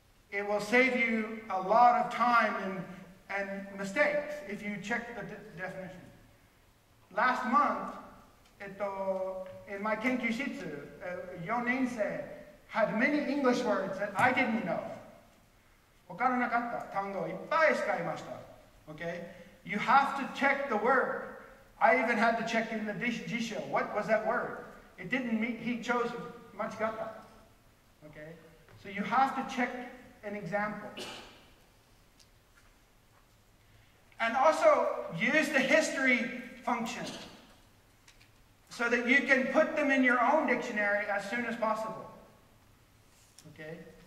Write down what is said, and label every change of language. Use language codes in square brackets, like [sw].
[en] It will save you a lot of time and mistakes if you check the definition. Last month, in my Kenkyushitsu, Yoninsei had many English words that I didn't know. [ja] わからなかった単語をいっぱい使いました. [en] Okay? You have to check the word. I even had to check in the jisho. What was that word? It didn't mean he chose machigatta. Okay? So you have to check an example. And also use the history function so that you can put them in your own dictionary as soon as possible. Okay?